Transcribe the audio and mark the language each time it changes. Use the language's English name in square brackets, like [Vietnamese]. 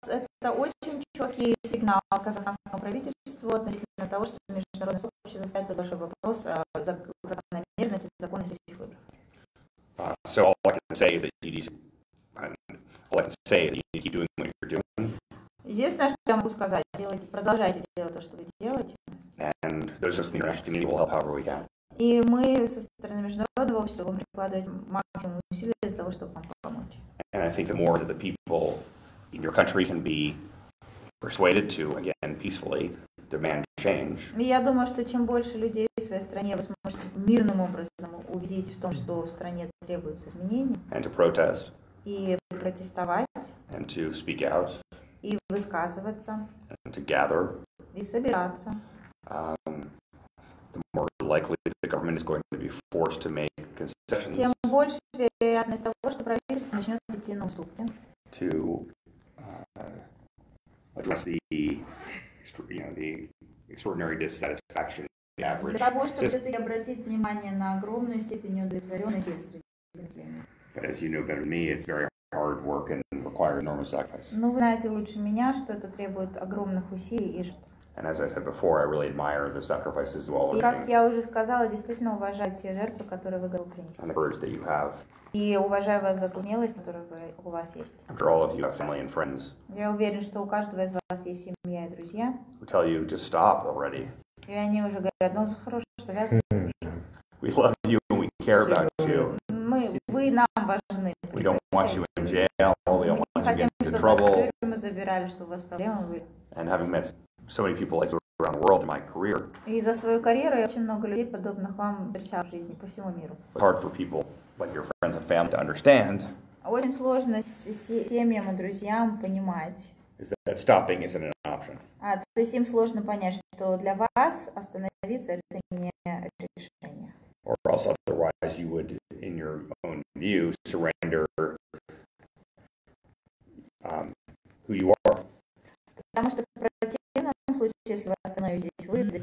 [Russian] Это очень четкий сигнал казахстанскому правительству относительно того, что международное сообщество ставит под большой вопрос закономерности и законности этих выборов. [English] So all I can say is that you need to, keep doing what you're doing. [Russian] Единственное, что я могу сказать, продолжайте делать то, что вы делаете. [English] And there's just the international community will help however we can. [Russian] И мы со стороны международного общества будем прикладывать максимум усилий для того, чтобы вам помочь. [English] And I think the more that the people in your country can be persuaded to, again, peacefully demand change. [Russian] Я думаю, что чем больше людей в своей стране вы сможете мирным образом убедить в том, что в стране требуются изменения. [English] And to protest. [Russian] И протестовать. [English] And to speak out. [Russian] И высказываться. [English] And to gather. [Russian] И собираться. [English] The more likely that the government is going to be forced to make concessions. [Russian] Тем больше вероятность того, что правительство начнет идти на уступки. [English] To address the extraordinary dissatisfaction average. [Russian] Для того, чтобы все-таки обратить внимание на огромную степень неудовлетворенности среди населения. [English] As you know better than me, it's very hard work and requires enormous sacrifice. [Russian] Ну, вы знаете лучше меня, что это требует огромных усилий и жертв. [English] And as I said before, I really admire the sacrifices you all are making. [Russian] И как я уже сказала, действительно уважаю те жертвы, которые вы готовы принести. [English] And the courage that you have. [Russian] И уважаю вас за ту смелость, которую у вас есть. [English] I'm sure all of you have family and friends. [Russian] Я уверен, что у каждого из вас есть семья и друзья. [English] Who tell you to stop already. [Russian] И они уже говорят, ну, хорошо, что я закончу. [English] We love you and we care about you. [Russian] Мы, вы нам важны. [English] We don't want you in jail. We don't want you getting into trouble. [Russian] Мы не хотим, чтобы вас забирали, что у вас проблемы были. [English] And having met so many people like around the world in my career. [Russian] И за свою карьеру я очень много людей подобных вам встречал в жизни по всему миру. [English] It's hard for people like your friends and family to understand. [Russian] Очень сложно семьям и друзьям понимать. [English] Is that stopping isn't an option. [Russian] А, то есть им сложно понять, что для вас остановиться это не решение. [English] Or else otherwise you would, in your own view, surrender who you are. [Russian] Потому что в противном случае, если вы остановитесь, вы